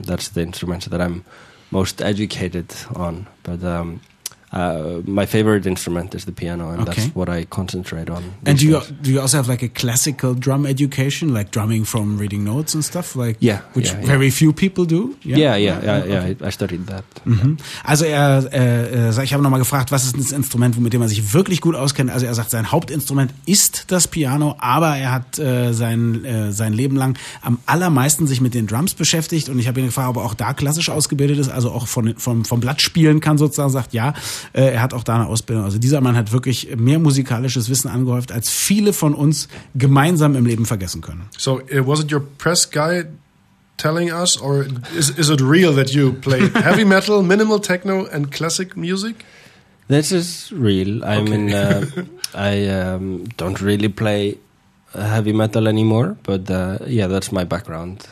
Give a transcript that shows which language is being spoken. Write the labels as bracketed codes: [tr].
[en] That's the instrument that I'm most educated on. But my favorite instrument is the piano, and okay. That's what I concentrate on. And do you also have like a classical drum education, like drumming from reading notes and stuff? Like, yeah. Which yeah, very yeah. few people do? Yeah, okay. I studied that. Mm-hmm. [de] Also ich habe nochmal gefragt, was ist das Instrument, mit dem er sich wirklich gut auskennt? Also er sagt, sein Hauptinstrument ist das Piano, aber er hat sein Leben lang am allermeisten sich mit den Drums beschäftigt. Und ich habe ihn gefragt, ob er auch da klassisch ausgebildet ist, also auch vom Blatt spielen kann sozusagen, sagt ja. Er hat auch da eine Ausbildung. Also dieser Mann hat wirklich mehr musikalisches Wissen angehäuft, als viele von uns gemeinsam im Leben vergessen können. [en] So, was it your press guy telling us, or is it real that you play heavy metal, minimal techno and classic music? This is real. I mean, I don't really play heavy metal anymore, but yeah, that's my background.